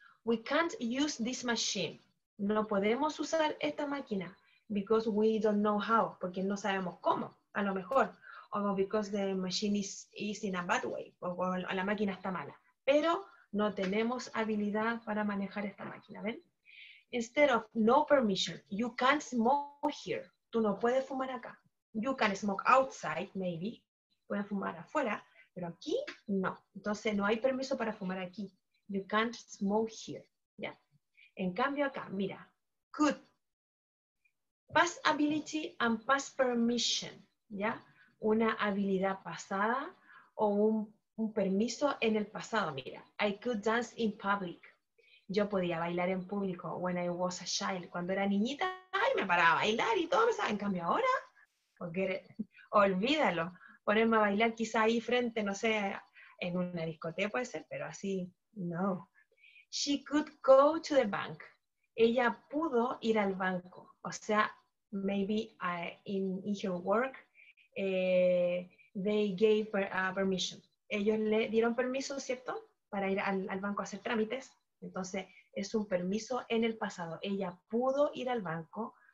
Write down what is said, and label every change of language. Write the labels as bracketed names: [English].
[English] We can't use this machine. [Spanish] No podemos usar esta máquina [English] because we don't know how, [Spanish] porque no sabemos cómo, a lo mejor. [English] O because the machine is in a bad way, [Spanish] o la máquina está mala. Pero no tenemos habilidad para manejar esta máquina, ¿ven? [English] Instead of no permission, you can't smoke here. [Spanish] Tú no puedes fumar acá. [English] You can smoke outside, maybe. [Spanish] Pueden fumar afuera, pero aquí no. Entonces no hay permiso para fumar aquí. [English] You can't smoke here. [Spanish] ¿Ya? En cambio acá, mira, could. [English] Past ability and past permission. ¿Ya? [Spanish] Una habilidad pasada o un permiso en el pasado. [English] Mira, I could dance in public. [Spanish] Yo podía bailar en público [English] when I was a child. [Spanish] Cuando era niñita, ay, me paraba a bailar y todo. ¿Sabes? En cambio ahora, [English] forget it. [Spanish] Olvídalo. Ponerme a bailar quizá ahí frente, no sé, en una discoteca puede ser, pero así, no. [English] She could go to the bank. [Spanish] Ella pudo ir al banco. O sea, [English] maybe in her work, they gave permission. [Spanish] Ellos le dieron permiso, ¿cierto? Para ir al banco a hacer trámites. Entonces, es un permiso en el pasado. Ella pudo ir al banco.